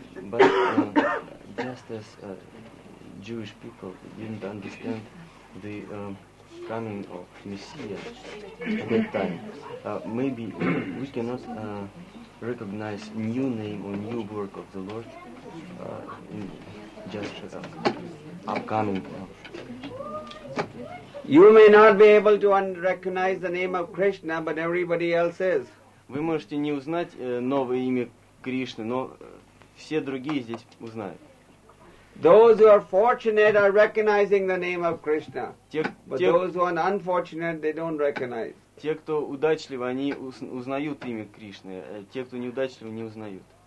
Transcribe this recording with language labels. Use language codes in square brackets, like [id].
[en] But just as Jewish people didn't understand the coming of Messiah at that time, maybe we cannot recognize new name or new work of the Lord in just upcoming. You may not be able to recognize the name of Krishna, but everybody else is. [ru] Вы можете не узнать новое имя Кришны, но все другие здесь узнают. [en] Those who are fortunate are recognizing the name of Krishna. But those who are unfortunate, they don't recognize. [ru] Те, кто удачливы, они узнают имя Кришны. Те, кто неудачливы, не узнают.